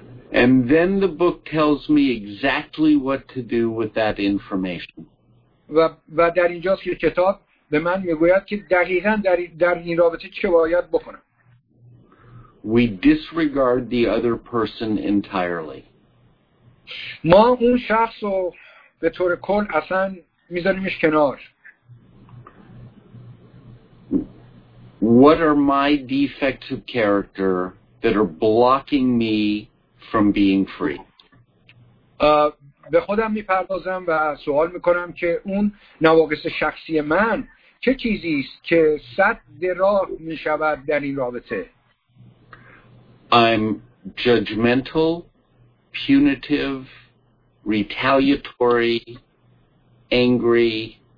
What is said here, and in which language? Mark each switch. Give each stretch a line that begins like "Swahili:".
English: And then the book tells me exactly what to do with that information.
Persian: و در اینجاست که کتاب به من میگوید که دقیقاً در این رابطه چه باید بکنم.
English: We disregard the other person entirely.
Persian: ما اون شخص رو به طور کل اصلا میذاریمش کنار.
English: What are my defects of character that are blocking me from being free?
Persian: به خودم میپردازم و سوال میکنم که اون نواقص شخصی من چه چیزی است که سد راه میشود در این رابطه.
English: I'm judgmental, punitive, retaliatory, angry.